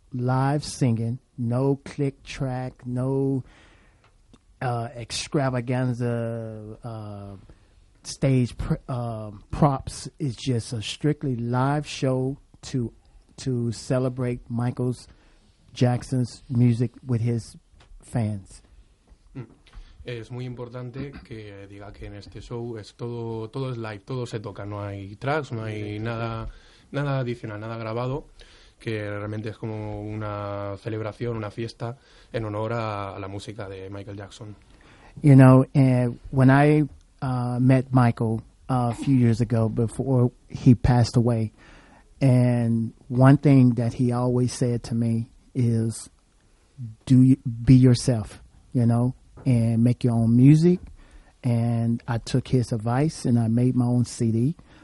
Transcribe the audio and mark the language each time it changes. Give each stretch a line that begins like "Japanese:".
English: Live singing, no click track, no extravaganza stage props. It's just a strictly live show to celebrate Michael Jackson's music with his fans.
Spanish: Es muy importante que diga que en este show es todo es live, todo se toca, no hay tracks, no hay nada adicional, nada grabado, que realmente es como una celebración, una fiesta en honor a la música de Michael Jackson.
English: You know, when I met Michael a few years ago before he passed away, and one thing that he always said to me is be yourself, you know? And make your own music, and I took his advice and I made my own CD.